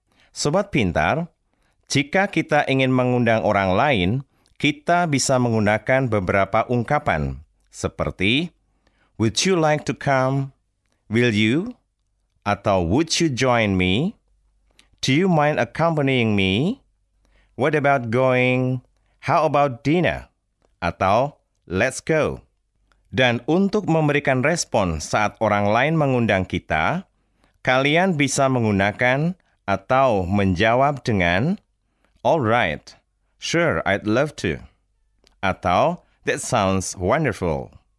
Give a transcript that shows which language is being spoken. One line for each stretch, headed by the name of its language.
Indonesian: Sobat pintar, jika kita ingin mengundang orang lain, kita bisa menggunakan beberapa ungkapan, seperti,
English: would you like to come? Will you?
Indonesian: Atau,
English: would you join me? Do you mind accompanying me? What about going? How about dinner?
Indonesian: Atau,
English: let's go.
Indonesian: Dan untuk memberikan respon saat orang lain mengundang kita, kalian bisa menggunakan atau menjawab dengan
English: "All right, sure, I'd love to."
Indonesian: Atau
English: "That sounds wonderful."